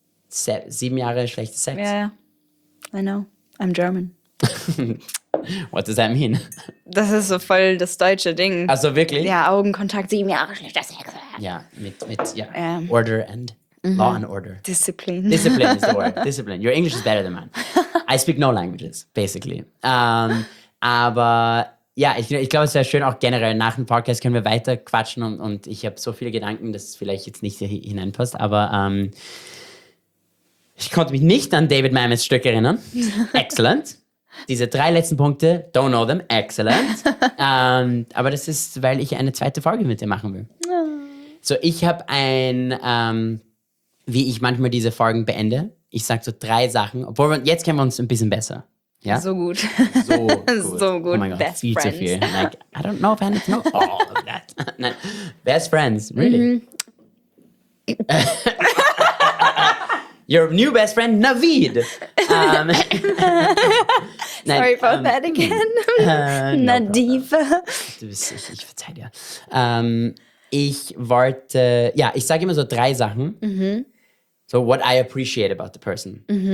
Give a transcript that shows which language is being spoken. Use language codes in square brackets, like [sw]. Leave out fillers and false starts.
[de] 7 Jahre schlechtes Sex. Ja, ja. [en] I know. I'm German. What does that mean? [de] Das ist so voll das deutsche Ding. Also wirklich? Ja, Augenkontakt, 7 Jahre schlechter Sex. Ja, mit [en] Order and Law and Order. Discipline. Discipline is the word. Discipline. Your English is better than mine. I speak no languages, basically. [de] Aber ja, ich glaube, es wäre schön, auch generell nach dem Podcast können wir weiter quatschen und ich habe so viele Gedanken, dass es vielleicht jetzt nicht hineinpasst, aber ich konnte mich nicht an David Mamets Stück erinnern. [en] Excellent. [de] Diese 3 letzten Punkte, [en] don't know them, excellent. [de] Aber das ist, weil ich eine 2. Folge mit dir machen will. So, ich habe ein, wie ich manchmal diese Folgen beende, ich sage so 3 Sachen, obwohl jetzt kennen wir uns ein bisschen besser. Ja? So gut. So gut. So gut. Oh mein Gott, [en] best [de] viel [en] friends. [de] Zu viel. [en] Like, I don't know if I know all of that. [de] Nein. [en] Best friends, really. Your new best friend, Navid. [de] Nein, [en] sorry about that again. Nadeve. [de] Ich verzeih dir. Ich wollte, ja, ich sage immer so 3 Sachen. [en] So, what I appreciate about the person.